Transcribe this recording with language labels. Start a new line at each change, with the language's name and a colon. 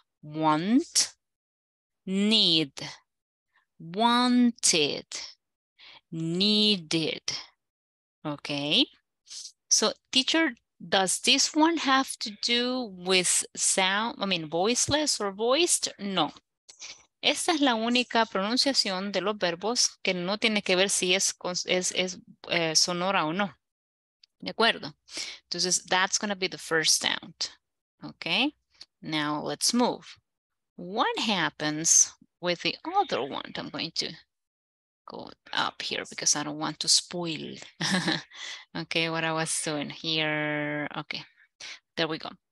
English: Want, need, wanted, needed, okay? So teacher, does this one have to do with sound, I mean, voiceless or voiced? No.
Spanish: Esta es la única pronunciación de los verbos que no tiene que ver si es sonora o no. ¿De acuerdo? Entonces,
English: that's going to be the first sound. Okay? Now, let's move. What happens with the other one? I'm going to go up here because I don't want to spoil. Okay, what I was doing here. Okay, there we go.